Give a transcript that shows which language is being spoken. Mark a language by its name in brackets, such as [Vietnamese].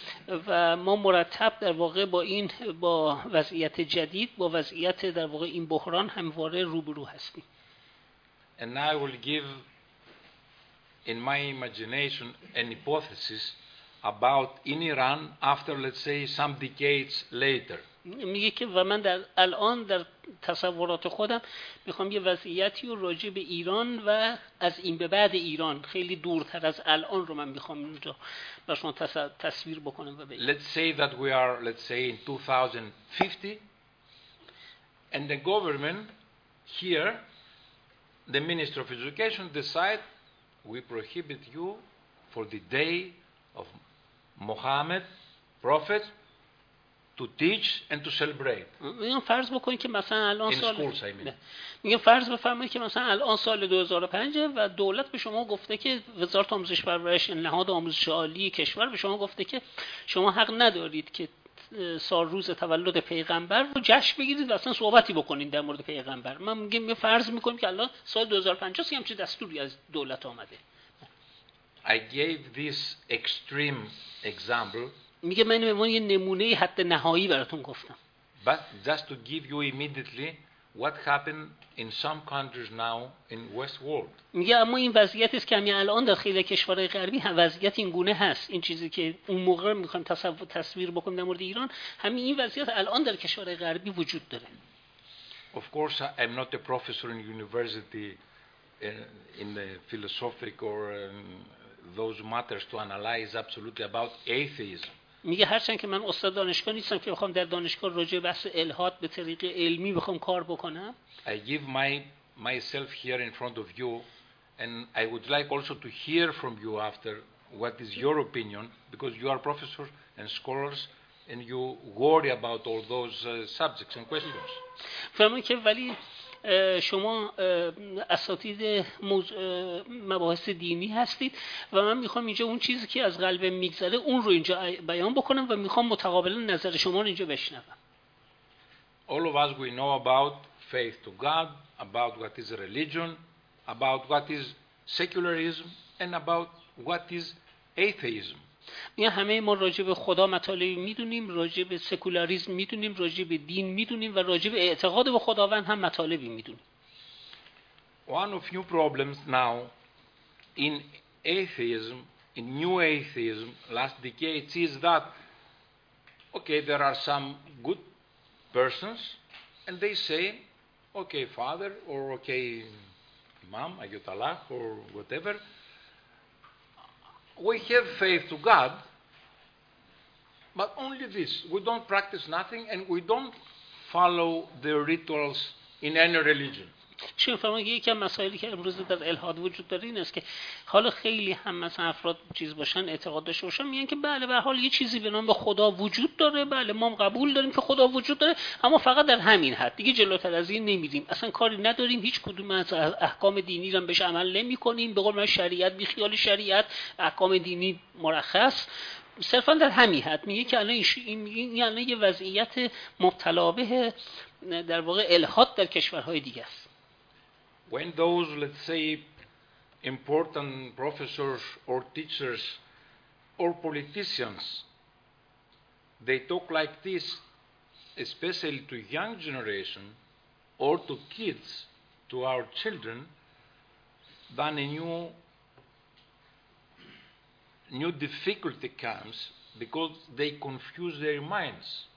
[Persian] و ما مرتب در واقع با این با وضعیت جدید، با وضعیت در واقع این بحران همواره روبرو هستیم. [English] And I will give in my imagination an hypothesis about in Iran after let's say some decades later. [Persian] میگه که و من در الان در تصورات خودم میخوام یه وضعیتی رو راجع به ایران و از این به بعد ایران خیلی دورتر از الان رو من میخوام اینجا بر شما تصویر بکنم و بگم. [English] Let's say that we are let's say in 2050 and the government here, the minister of education decide we prohibit you for the day of Muhammad prophet to teach and to celebrate. [Persian] میگم فرض بکنید که مثلا الان سال میگم فرض بفرمایید که مثلا الان سال 2005 و دولت به شما گفته که وزارت آموزش پرورش نهاد آموزش عالی کشور به شما گفته که شما حق ندارید که سال روز تولد پیغمبر رو جشن بگیرید و اصلا صحبتی بکنید در مورد پیغمبر. من میگم فرض میکنیم که الان سال 2005 است همین چه دستوری از دولت اومده. [English] I gave this extreme example. [Persian] میگه من به عنوان یه نمونه حد نهایی براتون گفتم. [English] But just to give you immediately what happened in some countries now in West world. [Persian] میگه اما این وضعیتی است که همین الان در خیلی کشورهای غربی هم وضعیت این گونه هست. این چیزی که اون موقع میخوام تصویر بکنم در مورد ایران، همین این وضعیت الان در کشورهای غربی وجود داره. [English] Of course I'm not a professor in university in the philosophic or those matters to analyze absolutely about atheism. [Persian] میگه هرچند که من استاد دانشگاه نیستم که بخوام در دانشگاه راجع به بحث الحاد به طریق علمی بخوام کار بکنم. [English] I give myself here in front of you and I would like also to hear from you after what is your opinion because you are professors and scholars and you worry about all those subjects and questions. [Persian] فهمون که ولی شما اساتید مباحث دینی هستید و من میخوام اینجا اون چیزی که از قلب میگذره اون رو اینجا بیان بکنم و میخوام متقابل نظر شما رو اینجا بشنوم. [English] All of us we know about faith to God, about what is religion, about what is secularism and about what is atheism. [Persian] یعنی همه ما راجع به خدا مطالبی میدونیم، راجع به سکولاریسم میدونیم، راجع به دین میدونیم و راجع به اعتقاد به خداوند هم مطالبی میدونیم. [English] One of new problems now in atheism, in new atheism last decades is that okay, there are some good persons and they say okay, father or okay, imam, ayatollah or whatever, we have faith to God, but only this. We don't practice nothing and we don't follow the rituals in any religion. [Persian] چون فرمان که یکی مسائلی که امروز در الحاد وجود داره این است که حالا خیلی هم مثلا افراد چیز باشن اعتقاد داشته باشن میگن که بله به حال یه چیزی به نام خدا وجود داره، بله ما قبول داریم که خدا وجود داره، اما فقط در همین حد، دیگه جلوتر از این نمیدیم، اصلا کاری نداریم، هیچ کدوم از احکام دینی رو بهش عمل نمی کنیم، به قول من شریعت بی خیال شریعت، احکام دینی مرخص، صرفا در همین حد. میگه که الان این یه وضعیت مبتلا به در واقع الحاد در کشورهای دیگه است. [English] When those, let's say, important professors or teachers or politicians, they talk like this, especially to young generation or to kids, to our children, then a new difficulty comes because they confuse their minds.